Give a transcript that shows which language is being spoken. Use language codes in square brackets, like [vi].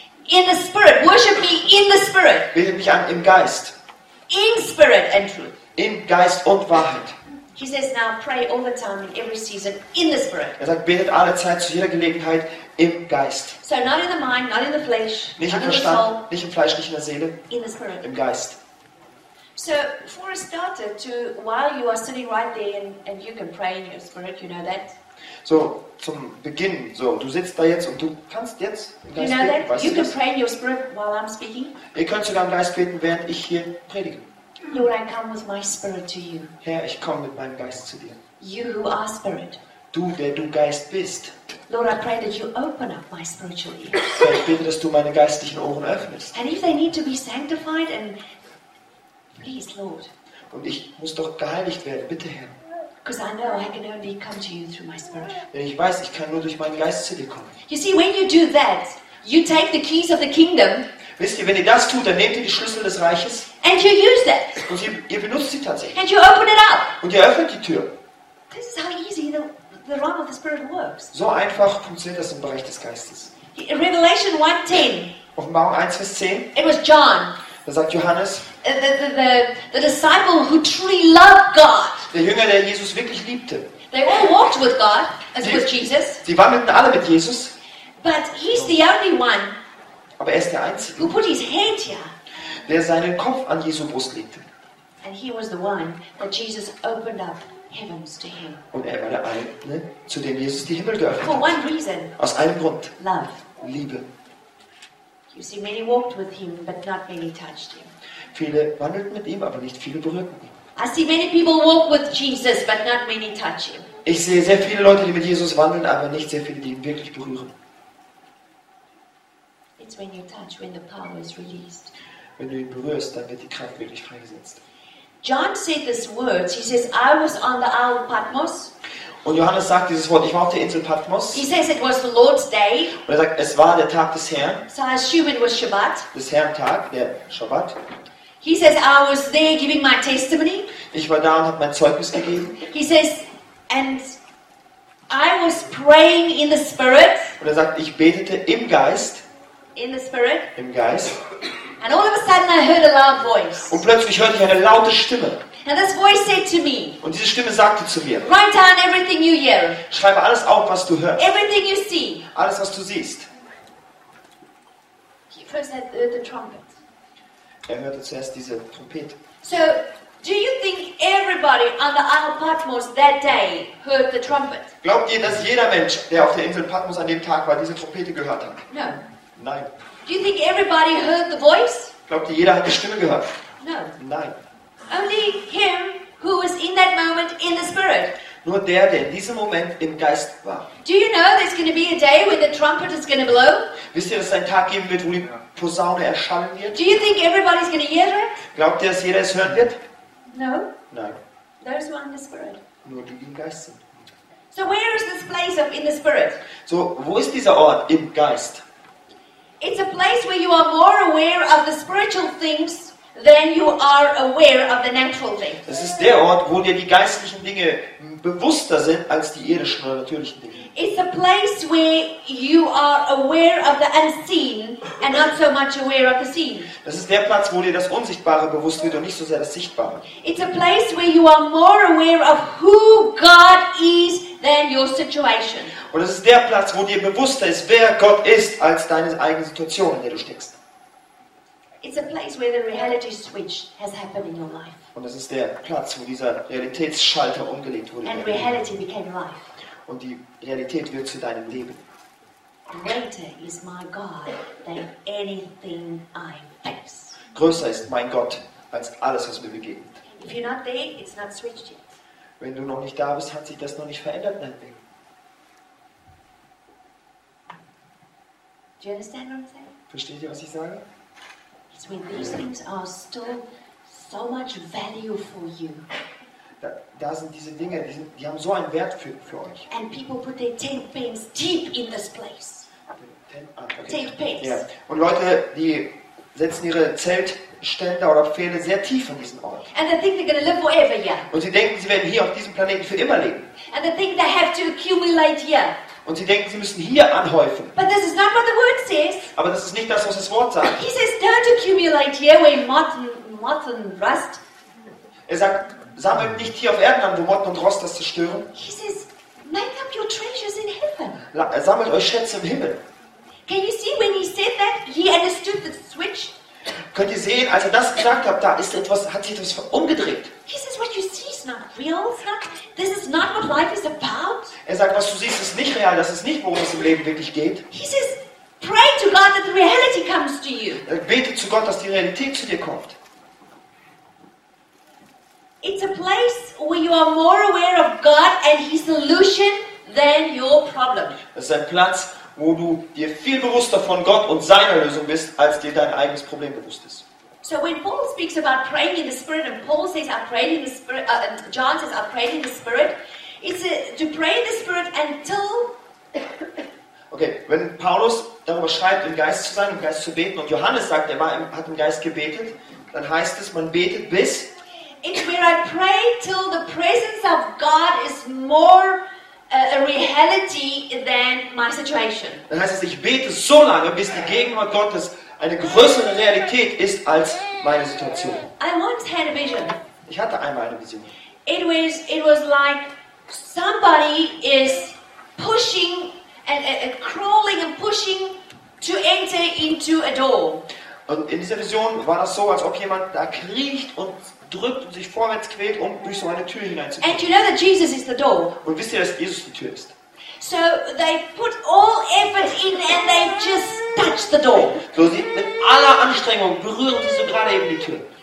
[en] In the Spirit, worship me in the Spirit. [de] Betet mich an im Geist. [en] In Spirit and truth. [de] In Geist und Wahrheit. [en] He says now, pray all the time in every season in the Spirit. [de] Er sagt, betet alle Zeit zu jeder Gelegenheit im Geist. [en] So not in the mind, not in the flesh, [de] nicht [en] not [de] im Verstand, nicht im Fleisch, nicht in der Seele. [en] In the Spirit. [de] Im Geist. [en] So for a starter, to while you are sitting right there and you can pray in your spirit, you know that. [de] So zum Beginn, so du sitzt da jetzt und du kannst jetzt im Geist beten. Weißt du das? [en] You can pray in your spirit while I'm speaking. [de] Ihr könnt sogar im Geist beten, während ich hier predige. [en] Lord, I come with my spirit to you. [de] Herr, ich komme mit meinem Geist zu dir. [en] You who are spirit. [de] Du, der du Geist bist. [en] Lord, I pray that you open up my spiritual ears. [de] Herr, ich bitte, dass du meine geistlichen Ohren öffnest. [en] And if they need to be sanctified, and please, Lord. [de] Und ich muss doch geheiligt werden, bitte, Herr. [en] Because I know I can only come to you through my spirit. [de] Denn ich weiß, ich kann nur durch meinen Geist zu dir kommen. [en] You see, when you do that, you take the keys of the kingdom. [de] Wisst ihr, wenn ihr das tut, dann nehmt ihr die Schlüssel des Reiches. [en] And you use that. [de] Und ihr benutzt sie tatsächlich. [en] And you open it up. [de] Und ihr öffnet die Tür. [en] This is how easy the realm of the spirit works. [de] So einfach funktioniert das im Bereich des Geistes. [en] Revelation 1:10. [de] Offenbarung 1 Vers 10. [en] It was John. [de] Da sagt Johannes. [en] The disciple who truly loved God. [de] Der Jünger, der Jesus wirklich liebte. [en] They all walked with God, as with Jesus. [de] Sie wandelten alle mit Jesus. [en] But he's the only one. [de] Aber er ist der Einzige. [en] Who put his hand here? [de] Der seinen Kopf an Jesu Brust legte. [en] And he was the one that Jesus opened up heavens to him. [de] Und er war der Einzige, zu dem Jesus die Himmel geöffnet [en] For [de] hat. [en] For one reason. [de] Aus einem Grund. [en] Love. [de] Liebe. [en] You see, many walked with him, but not many touched him. [de] Viele wandelten mit ihm, aber nicht viele berührten ihn. [en] I see many people walk with Jesus, but not many touch him. [de] Ich sehe sehr viele Leute, die mit Jesus wandeln, aber nicht sehr viele, die ihn wirklich berühren. [en] It's when you touch, when the power is released. [de] Wenn du ihn berührst, dann wird die Kraft wirklich freigesetzt. [en] John said this words. He says, "I was on the Isle of Patmos." [de] Und Johannes sagt dieses Wort. Ich war auf der Insel Patmos. [en] He says it was the Lord's day. [de] Und er sagt, es war der Tag des Herrn. [en] So I assume it was Shabbat. [de] Des Herrn Tag, der Shabbat. [en] He says, "I was there giving my testimony." [de] Ich war da und habe mein Zeugnis gegeben. [en] He says, "And I was praying in the Spirit." [de] Und er sagt, ich betete im Geist. [en] In the Spirit. [de] Im Geist. [en] And all of a sudden, I heard a loud voice. [de] Und plötzlich hörte ich eine laute Stimme. [en] And this voice said to me. [de] Und diese Stimme sagte zu mir. [en] Write down everything you hear. [de] Schreibe alles auf, was du hörst. [en] Everything you see. [de] Alles, was du siehst. [en] He first heard the trumpet. [de] Er hörte zuerst diese Trompete. [en] So, do you think everybody on the Isle of Patmos that day heard the trumpet? [de] Glaubt ihr, dass jeder Mensch, der auf der Insel Patmos an dem Tag war, diese Trompete gehört hat? [en] No. [de] Nein. [en] Do you think everybody heard the voice? [de] Glaubt ihr, jeder hat die Stimme gehört? [en] No. [de] Nein. [en] Only him who was in that moment in the spirit. [de] Nur der, der in diesem Moment im Geist war. [en] Do you know there's going to be a day when the trumpet is going to blow? [de] Wisst ihr, dass es einen Tag geben wird, wo die Posaune erschallen wird? [en] Do you think everybody's going to hear it? [de] Glaubt ihr, dass jeder es hören wird? [en] No. [de] Nein. [en] Those who are in the spirit. [de] Nur die, die im Geist sind. [en] So where is this place of in the spirit? [de] So wo ist dieser Ort im Geist? [en] It's a place where you are more aware of the spiritual things than you are aware of the natural things. [de] Es ist der Ort, wo dir die geistlichen Dinge bewusster sind als die irdischen oder natürlichen Dinge. [en] It's a place where you are aware of the unseen and not so much aware of the seen. [de] Das ist der Platz, wo dir das Unsichtbare bewusst wird und nicht so sehr das Sichtbare. [en] It's a place where you are more aware of who God is than your situation. [de] Und es ist der Platz, wo dir bewusster ist, wer Gott ist, als deine eigene Situation, in der du steckst. [en] It's a place where the reality switch has happened in your life. [de] Und es ist der Platz, wo dieser Realitätsschalter umgelegt wurde. [en] And reality became life. [de] Und die Realität wird zu deinem Leben. [en] Greater is my God than anything I face. [de] Größer ist mein Gott als alles, was mir begegnet. [en] If you're not there, it's not switched yet. [de] Wenn du noch nicht da bist, hat sich das noch nicht verändert, dein Leben. [en] Do you understand what I'm saying? [de] Versteht ihr, was ich sage? [en] It's when these things are still so much value for you. [de] Da sind diese Dinge, die haben so einen Wert für euch. [en] And people put their tent pins deep in this place. Tent pins. Ja. [de] Und Leute, die setzen ihre Zeltstände oder Pfähle sehr tief an diesen Ort. [en] And they think they're going to live forever here. [de] Und sie denken, sie werden hier auf diesem Planeten für immer leben. [en] And they think they have to accumulate here. [de] Und sie denken, sie müssen hier anhäufen. [en] But this is not what the word says. [de] Aber das ist nicht das, was das Wort sagt. [en] He says, don't accumulate here where moth and rust. [de] Er sagt, sammelt nicht hier auf Erden an, wo Motten und Rost das zerstören. [en] He says, make up your treasures in heaven. [de] Sammelt euch Schätze im Himmel. [en] Can you see when he said that, he understood the switch? [de] Könnt ihr sehen, als er das gesagt hat, da ist etwas, hat sich etwas umgedreht. [en] He says, what you see is not real. This is not what life is about. [de] Er sagt, was du siehst, ist nicht real. Das ist nicht, worum es im Leben wirklich geht. [en] He says, pray to God that the reality comes to you. [de] Bete zu Gott, dass die Realität zu dir kommt. [en] It's a place where you are more aware of God and His solution than your problem. [de] Es ist ein Platz, wo du dir viel bewusster von Gott und seiner Lösung bist, als dir dein eigenes Problem bewusst ist. [en] So when Paul speaks about praying in the Spirit and Paul says, I prayed in the Spirit, and John says, I prayed in the Spirit, it's to pray in the Spirit until... [de] Okay, wenn Paulus darüber schreibt, im Geist zu sein, im Geist zu beten, und Johannes sagt, er hat im Geist gebetet, dann heißt es, man betet bis. [en] It's where I pray till the presence of God is more a reality than my situation. [de] Dann heißt es, ich bete so lange, bis die Gegenwart Gottes eine größere Realität ist als meine Situation. [en] I once had a vision. [de] Ich hatte einmal eine Vision. [en] It was like somebody is pushing and crawling and pushing to enter into a door. [de] Und in dieser Vision war das so, als ob jemand da kriecht und drückt und sich vorwärts quält, um durch so eine Tür hineinzukommen. [en] And you know that Jesus is the door. [de] Und wisst ihr, dass Jesus die Tür ist? [en] So they put all effort in and they just touch the door. [de] So sie mit aller Anstrengung berühren sie so gerade eben die Tür.